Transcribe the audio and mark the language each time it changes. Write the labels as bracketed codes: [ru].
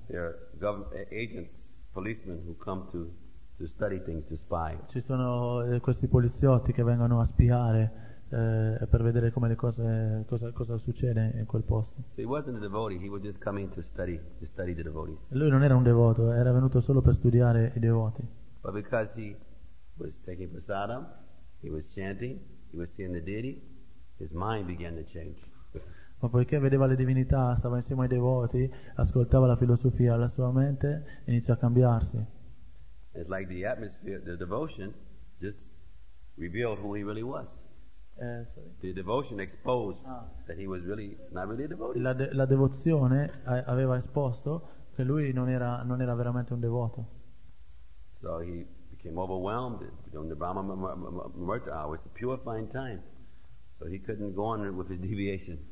[en] Yeah. Agents, policemen who come to study things, to spy. [it] Ci sono questi poliziotti che vengono a spiare per vedere come le cose cosa succede in quel posto. [en] So he wasn't a devotee, he was just coming to study the devotees. [it] Lui non era un devoto, era venuto solo per studiare i devoti. [en] But because he was taking prasadam, he was chanting, he was seeing the deity, his mind began to change. [it] Ma poiché vedeva le divinità, stava insieme ai devoti, ascoltava la filosofia, la sua mente iniziò a cambiarsi. [en] It's like the atmosphere, the devotion just revealed who he really was. The devotion exposed that he was really not really a devotee. [it] La devozione aveva esposto che lui non era veramente un devoto. [en] So he became overwhelmed during the Brahma Murta hour. It's a purifying time. So he couldn't go on with his deviations.